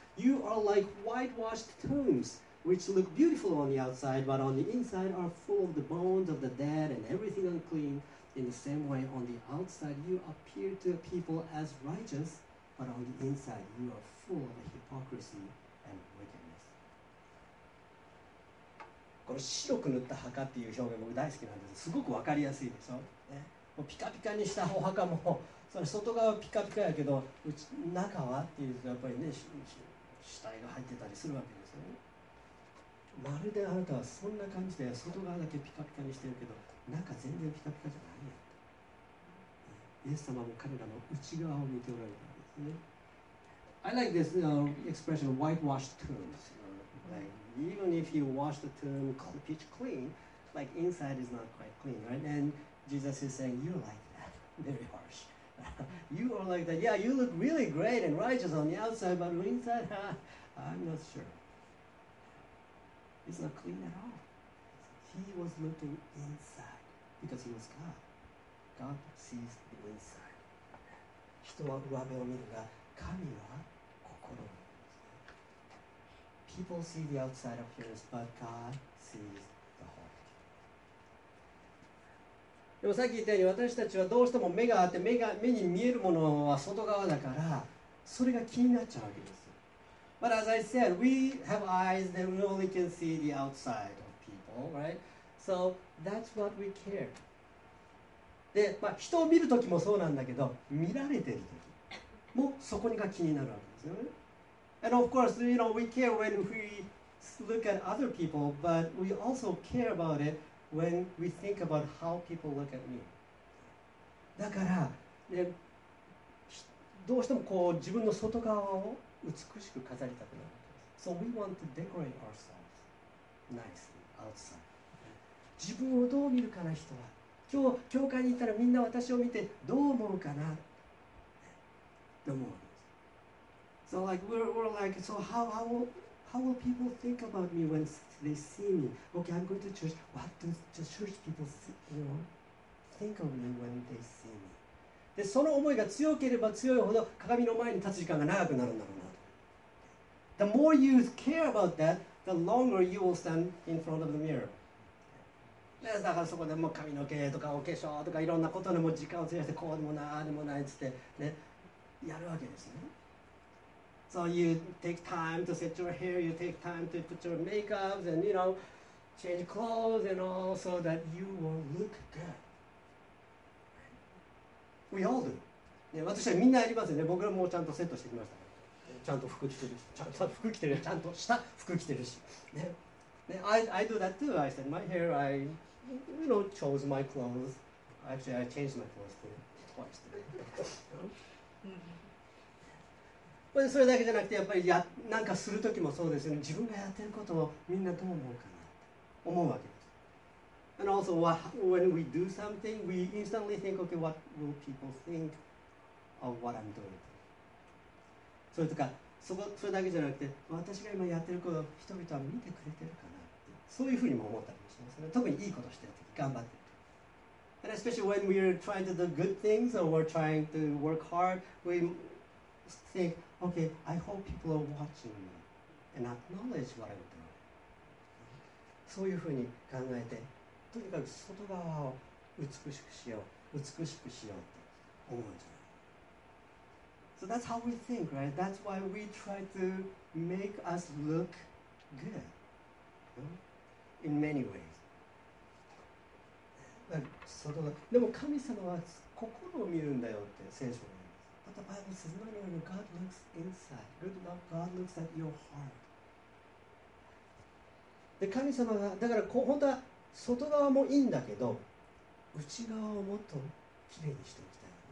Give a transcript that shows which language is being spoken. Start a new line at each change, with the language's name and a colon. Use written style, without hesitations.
English: You are like whitewashed tombs, which look beautiful on the outside, but on the inside are full of the bones of the dead and everything unclean. In the same way, on the outside you appear to people as righteous, but on the inside you are full of hypocrisy and wickedness.
Japanese: この白く塗った墓っていう表現僕大好きなんです。すごくわかりやすいでしょ。ね、もうピカピカにしたお墓も、それ外側はピカピカやけど、中はっていうとやっぱりね、死体が入ってたりするわけですよね。まるであなたはそんな感じで外側だけピカピカにしてるけど、中全然ピカピカじゃないやと。イエス様も彼らの内側を見ておられたんですね。
English: I like this expression, whitewashed tombs. Like, even if you wash the tomb pitch clean, like inside is not quite clean, right? And Jesus is saying, you're like that. Very harsh. You are like that. Yeah, you look really great and righteous on the outside, but inside, I'm not sure. It's not clean at all. He was looking inside because he was God. God sees the inside.
Japanese: 人は上辺を見るが、神は心を見る。
English: People see the outside appearance, but God sees the heart.
Japanese: でもさっき言ったように私たちはどうしても目があって目に見えるものは外側だから、それが気になっちゃうわけです。
English: But as I said, we have eyes that we only can see the outside of people, right? So that's what we care.
Japanese: で、まあ、人を見るときもそうなんだけど、見られてるときもそこが気になるわけですよね。
English: And of course, you know, we care when we look at other people, but we also care about it when we think about how people look at me.
Japanese: だから、ね、どうしてもこう自分の外側を美しく飾りたくなる。
English: So we want to decorate ourselves nicely outside.
Japanese: 自分をどう見るかな人は。今日教会に行ったらみんな私を見てどう思うかな。どう思うんです。
English: So like we're like so how will people think about me when they see me? Okay, I'm going to church. What do the church people see, you know, think of me when they see me?
Japanese: でその思いが強ければ強いほど鏡の前に立つ時間が長くなるんだろう。
English: The more you care about that, the longer you will stand in front of the mirror.
Japanese: ね、だからそこでもう髪の毛とかお化粧とかいろんなことでも時間を費やしてこうでもなあでもないっつってね、やるわけですね。
English: So you take time to set your hair, you take time to put your makeup and you know, change clothes and all so that you will look good. We all do.
Japanese: ね、私はみんなやりますよね。僕らもちゃんとセットしてきました。ちゃんと服着てるし、ちゃんと服着てる、ちゃんとした服着てるし、ね、
English: I do that too. I said my hair, I you know chose my clothes. Actually, I changed my clothes too, twice today.
Japanese: それだけじゃなくて、やっぱりやなんかするときもそうですよね。自分がやってることをみんなどう思うかなって思うわけです。
English: And also, when we do something, we instantly think, okay, what will people think of what I'm doing?
Japanese: それとか、それだけじゃなくて、私が今やってることを人々は見てくれてるかなって、そういうふうにも思ったりもしますね。特にいいことしてるとき、頑張ってると。
English: And especially when we're trying to do good things or we're trying to work hard, we think, okay, I hope people are watching me and acknowledge what I'm doing.
Japanese: そういうふうに考えて、とにかく外側を美しくしよう、美しくしようって思うんじゃない。
English: So that's how we think, right? That's why we try to make us look good, in many ways.
Japanese: But, でも神様は心を見るんだよって聖書に言います。
English: But the Bible says, no, no, no, God looks inside. Good enough, God looks at your heart.
Japanese: で神様が、だから本当は外側もいいんだけど、内側をもっと綺麗にしておきたい。